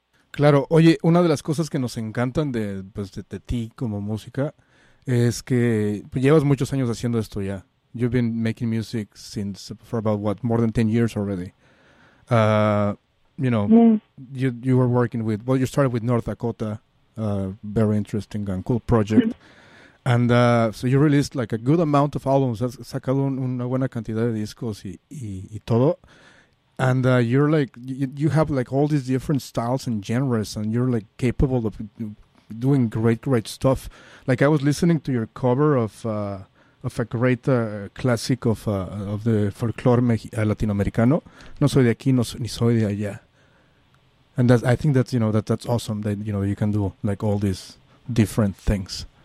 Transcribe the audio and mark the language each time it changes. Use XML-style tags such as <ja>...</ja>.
<es>Claro, oye, una de las cosas que nos encantan de ti como música es que llevas muchos años haciendo esto ya.</es> <en>You've been making music for more than 10 years already. You know, you were working with, well, you started with North Dakota, very interesting and cool project. And so you released like a good amount of albums,</en> <es>has sacado una buena cantidad de discos y todo.</es> <en>And you're like, you have like all these different styles and genres, and you're like capable of doing great, great stuff. Like I was listening to your cover of a great classic of the folklore Latinoamericano.</en> <es>No soy de aquí, ni soy de allá.</es> <en>And that's, I think that's, you know, that's awesome that, you know, you can do like all these different things.</en>